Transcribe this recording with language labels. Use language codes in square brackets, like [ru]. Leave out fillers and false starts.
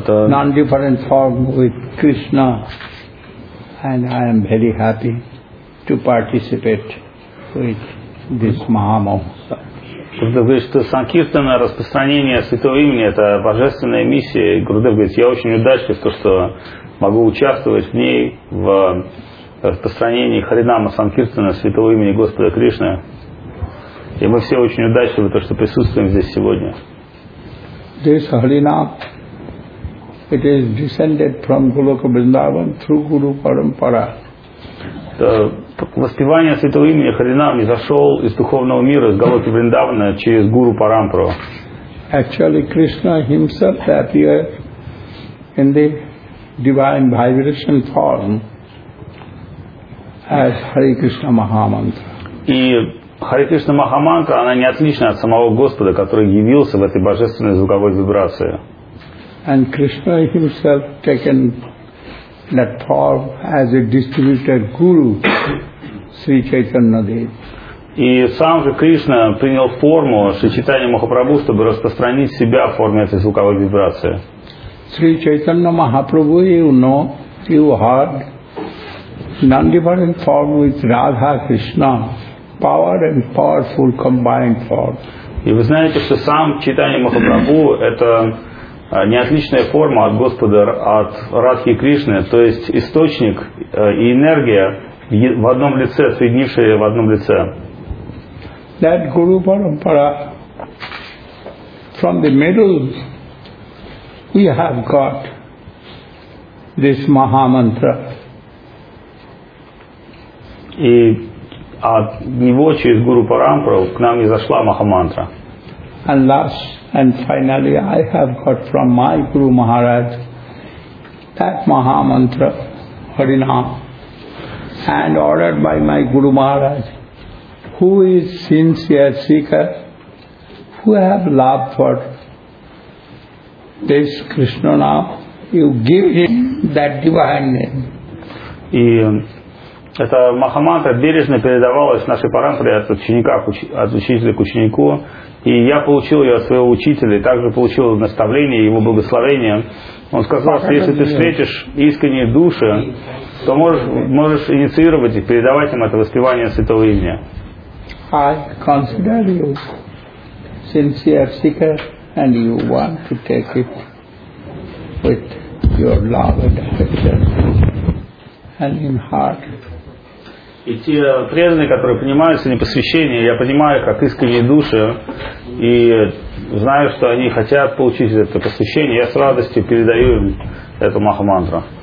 [en] Non different form with Krishna and I am very happy to participate with this महामहोत्सव। [ru] что संकीर्तन распространение святого имени это божественная миссия. Гурудев говорит, я очень удачлив, то что могу участвовать в ней в распространении харинама санкиртана святого имени Господа Кришны. И мы все очень удачливы, то что присутствуем здесь сегодня. [en] This Harinam, it is descended from Goloka Vrindavan through Guru Parampara. [ru] Воспевание святого имени Харинам изошел из духовного мира, из Голоки Вриндавана, через Гуру Парампару. [en] Actually, Krishna himself appeared in the divine vibration form as Hare Krishna Mahamantra. [ru] Харе Кришна Махамантра, она не отлична от самого Господа, который явился в этой божественной звуковой вибрации. [en] And Krishna himself taken that form as a distributed guru, Sri Chaitanya Dev. [ru] И сам же Кришна принял форму Шри Чайтанья Махапрабху, чтобы распространить себя в форме этой звуковой вибрации. [en] Sri Chaitanya Mahaprabhu, you know, you heard non-different form with Radha Krishna. Power and powerful combined form. [ru] И вы знаете, что сам Чайтанья Махапрабху это неотличная форма от Господа, от Радхи Кришны, то есть источник и энергия в одном лице, соединившие в одном лице. [en] That Guru Parampara, from the middle, we have got this Mahamantra. [ru] И от него через Гуру Парампару к нам и зашла Махамантра. [en] And last and finally I have got from my Guru Maharaj that Mahamantra Harinam and ordered by my Guru Maharaj who is sincere seeker who have love for this Krishna Nam, you give him that divine name. [ru] И эта Махамантра бережно передавалась нашей парампаре от ученика, от учителя к ученику. И я получил ее от своего учителя, и также получил наставление, его благословение. Он сказал, что если ты встретишь искренние души, то можешь инициировать и передавать им это воспевание святого имени. [en] I consider you sincere seeker, and you want to take it with your love and affection and in heart. [ru] И те преданные, которые принимаются не посвящение, я понимаю, как искренние души, и знаю, что они хотят получить это посвящение, я с радостью передаю им эту Махамантру.